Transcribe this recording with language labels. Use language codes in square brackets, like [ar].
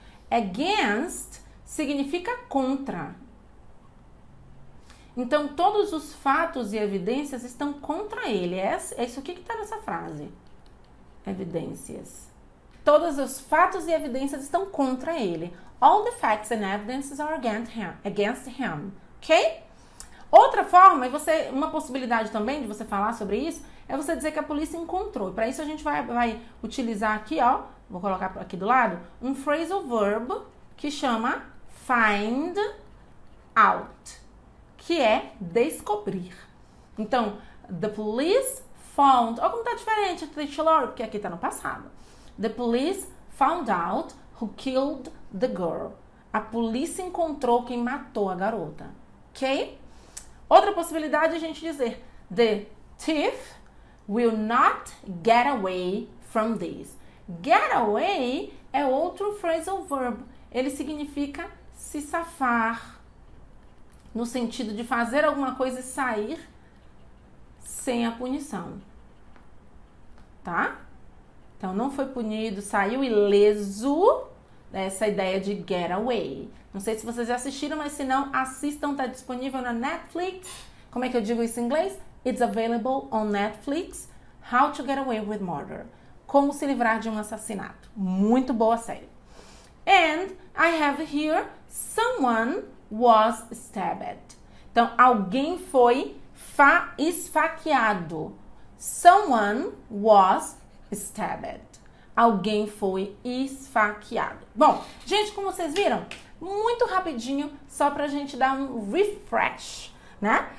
[pt] Against significa contra. Então, todos os fatos e evidências estão contra ele. É isso aqui que está nessa frase. Evidências. Todos os fatos e evidências estão contra ele. [en] All the facts and evidences are against him. [pt] Ok? Outra forma, uma possibilidade também de você falar sobre isso, é você dizer que a polícia encontrou. Para isso, a gente vai utilizar aqui, ó, vou colocar aqui do lado, um phrasal verb que chama find out, que é descobrir. Então, [en] the police found. [pt] Olha como tá diferente do titular, porque aqui tá no passado. [en] The police found out who killed the girl. [pt] A polícia encontrou quem matou a garota. Ok? Outra possibilidade é a gente dizer: [en] The thief will not get away from this. [pt] Get away é outro phrasal verb. Ele significa se safar, no sentido de fazer alguma coisa e sair sem a punição. Tá? Então, não foi punido, saiu ileso dessa ideia de get away. Não sei se vocês já assistiram, mas se não, assistam, tá disponível na Netflix. Como é que eu digo isso em inglês? [en] It's available on Netflix. How to Get Away with Murder. [pt] Como se livrar de um assassinato. Muito boa série. [en] And I have here someone was stabbed. [pt] Então, alguém foi esfaqueado. [en] Someone was stabbed. [pt] Alguém foi esfaqueado. Bom, gente, como vocês viram, muito rapidinho, só pra gente dar um refresh. Né?